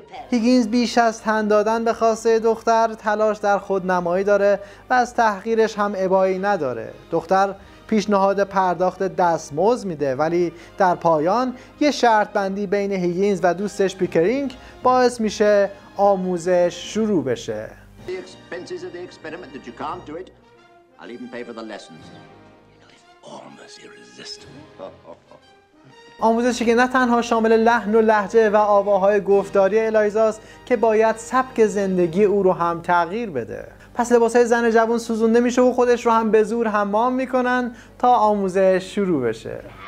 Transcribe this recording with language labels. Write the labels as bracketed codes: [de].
[fa] هیگینز بیش از تن دادن به خواسته دختر تلاش در خود نمایی داره و از تحقیرش هم ابایی نداره. دختر پیشنهاد پرداخت دستمزد میده ولی در پایان یه شرط بندی بین هیگینز و دوستش پیکرینگ باعث میشه آموزش شروع بشه. [en] The expenses of the experiment that you can't do it, I'll even pay for the lessons. You know, it's almost irresistible. [fa] آموزشی که نه تنها شامل لحن و لهجه و آواهای گفتاری الایزاست که باید سبک زندگی او رو هم تغییر بده. پس لباسای زن جوان سوزونده میشه و خودش رو هم به زور حمام میکنن تا آموزش شروع بشه.